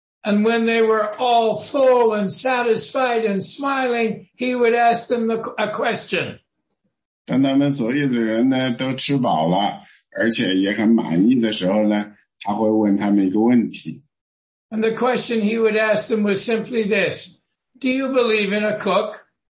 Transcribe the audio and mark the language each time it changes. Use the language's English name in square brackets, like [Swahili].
[English] And when they were all full and satisfied and smiling, he would ask them a question. [Chinese] 当他们所有的人呢都吃饱了，而且也很满意的时候呢，他会问他们一个问题。 [English] And the question he would ask them was simply this: Do you believe in a cook?